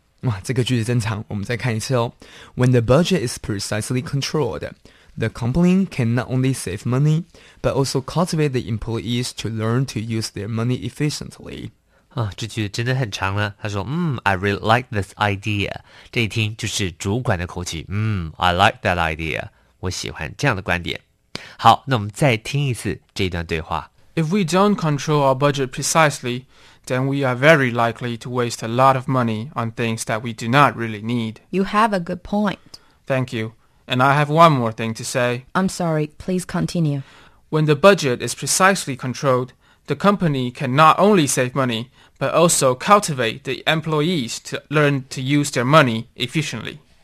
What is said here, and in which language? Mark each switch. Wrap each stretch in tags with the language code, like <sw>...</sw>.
<zh>哇，这个句子真长，我们再看一次哦。</zh> <en>When the budget is precisely controlled, the company can not only save money, but also cultivate the employees to learn to use their money efficiently.</en> <zh>啊，这句真的很长了。他说，</zh> <en>I really like this idea.</en> <zh>这一听就是主管的口气，</zh> <en>I like that idea.</en> <zh>我喜欢这样的观点。好，那我们再听一次这一段对话。</zh> <en>If we don't control our budget precisely, then we are very likely to waste a lot of money on things that we do not really need. You have a good point. Thank you. And I have one more thing to say. I'm sorry, please continue. When the budget is precisely controlled,The company can not only save money, but also cultivate the employees to learn to use their money efficiently.</en>